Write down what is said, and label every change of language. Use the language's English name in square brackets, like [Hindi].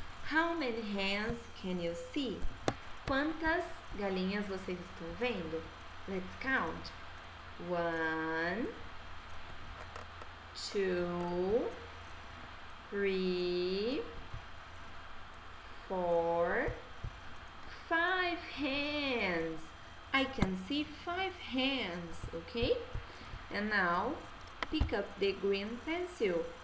[English] How many hens can you see? [Portuguese] Quantas galinhas vocês estão vendo? [English] Let's count. One, two, three, four, five hens. I can see five hens, okay? And now, pick up the green pencil.